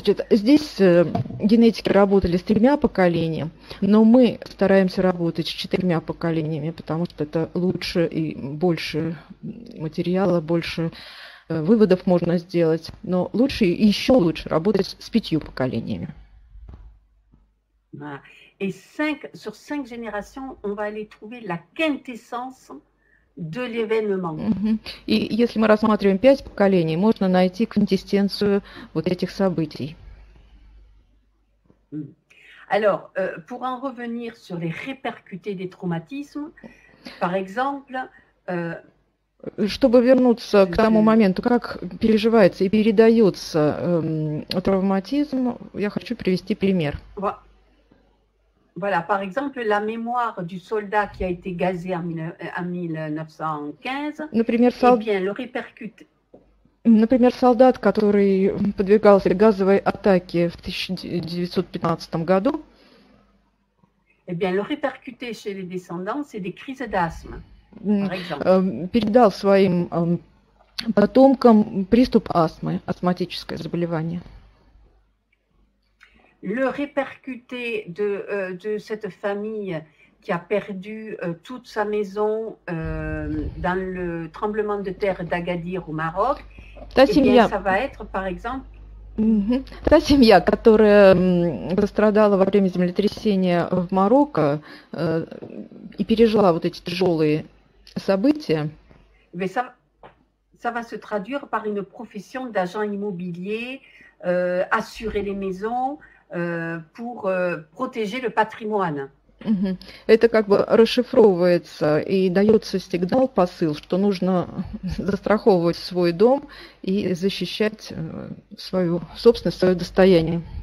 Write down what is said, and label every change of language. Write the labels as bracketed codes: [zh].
[ru] Здесь генетики работали с тремя поколениями, но мы стараемся работать с четырьмя поколениями, потому что это лучше и больше материала, больше выводов можно сделать. Но лучше и еще лучше работать с пятью поколениями. [fr] Et cinq, sur cinq générations, on va aller trouver la quintessence de l'événement. [ru] И если мы рассматриваем пять поколений, можно найти квинтэссенцию вот этих событий. [fr] Alors, pour en revenir sur les répercutés des traumatismes, par exemple... [ru] Чтобы вернуться к тому моменту, как переживается и передается травматизм, я хочу привести пример. [fr] Voilà, par exemple, la mémoire du soldat qui a été gazé en 1915, [ru] например, [fr] eh bien, le répercute. [ru] Например, солдат, который подвергался газовой атаке в 1915 году. [fr] Eh bien, le répercuté chez les descendants, c'est des crises d'asthme, par exemple. [ru] Передал своим потомкам приступ астмы, астматическое заболевание. [fr] Le répercuté de cette famille qui a perdu toute sa maison dans le tremblement de terre d'Agadir au Maroc, [ru] та семья, [fr] ça va être, par exemple... [ru] Та семья, которая пострадала во время землетрясения в Марокко и пережила вот эти тяжелые события... [fr] Mais ça va se traduire par une profession d'agent immobilier, assurer les maisons... pour protéger le patrimoine. [ru] Это как бы расшифровывается и дается сигнал, посыл, что нужно застраховывать свой дом и защищать свою собственность, свое достояние.